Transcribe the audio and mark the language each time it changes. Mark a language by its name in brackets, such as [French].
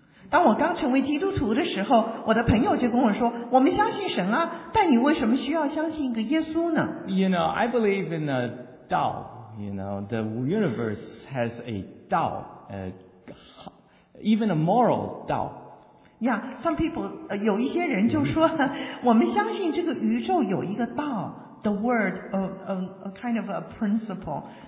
[Chinese] 当我刚成为基督徒的时候，我的朋友就跟我说，我们相信神啊，但你为什么需要相信一个耶稣呢？ [English] You know, I believe in a Tao. You know, the universe has a Tao, even a moral Tao. Yeah, some people, [Chinese] 有一些人就说，我们相信这个宇宙有一个道。 [English] The word of a kind of a principle,